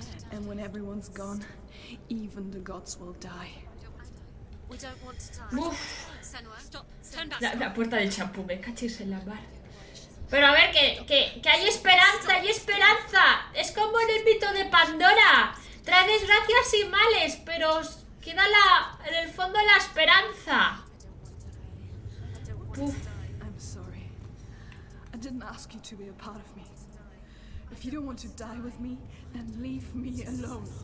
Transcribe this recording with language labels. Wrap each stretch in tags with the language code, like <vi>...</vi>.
<en>And when everyone's gone, even the gods will die. We don't want to die. Uf. Senua, stop.</en> <es>La puerta del champú, me cachis en la mar. Pero a ver, que hay esperanza, hay esperanza. Es como en el mito de Pandora. Trae desgracias y males, pero os queda la, en el fondo la esperanza.</es> <en>I'm sorry. I didn't ask you to be a part of me. If you don't want to die with me, then leave me alone.</en>